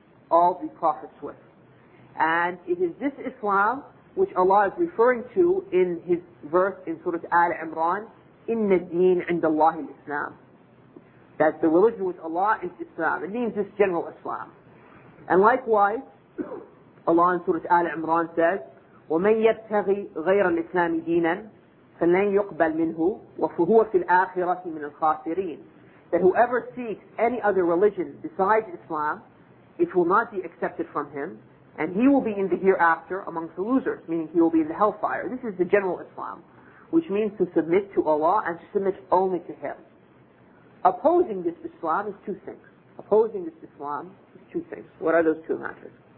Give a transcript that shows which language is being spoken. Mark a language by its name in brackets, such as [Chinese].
[English] All the prophets with. And it is this Islam which Allah is referring to in His verse in Surah Al-Imran, [Arabic] إِنَّ الدِّينَ عِنْدَ اللَّهِ الْإِسْلَامِ. [English] That the religion with Allah is Islam. It means this general Islam. And likewise, Allah in Surah Al-Imran says, [Arabic] وَمَنْ يَبْتَغِي غَيْرَ الْإِسْلَامِ دِينًا فَلَنْ يُقْبَلْ مِنْهُ وَفُهُوَ فِي الْآخِرَةِ مِنَ الْخَاسِرِينَ. [English] That whoever seeks any other religion besides Islam, it will not be accepted from him, and he will be in the hereafter amongst the losers, meaning he will be in the hellfire. This is the general Islam, which means to submit to Allah and to submit only to Him. opposing this Islam is two things. Opposing this Islam is two things. What are those two matters?